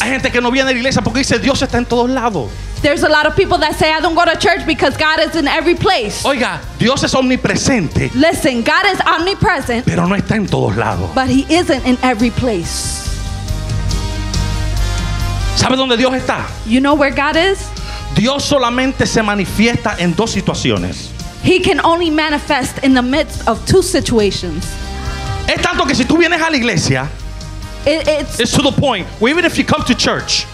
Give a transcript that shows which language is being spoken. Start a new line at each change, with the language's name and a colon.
Spanish: Hay gente que no viene a la iglesia porque dice Dios está en todos lados.
English: There's a lot of people that say I don't go to church because God is in every place.
Spanish: Oiga, Dios es omnipresente.
English: Listen, God is omnipresent.
Spanish: Pero no está en todos lados.
English: But he isn't in every place.
Spanish: ¿Sabe dónde Dios está?
English: You know where God is?
Spanish: Dios solamente se manifiesta en dos situaciones.
English: He can only manifest in the midst of two situations.
Spanish: Es tanto que si tú vienes a la iglesia,
English: it's to the point where even if you come to church,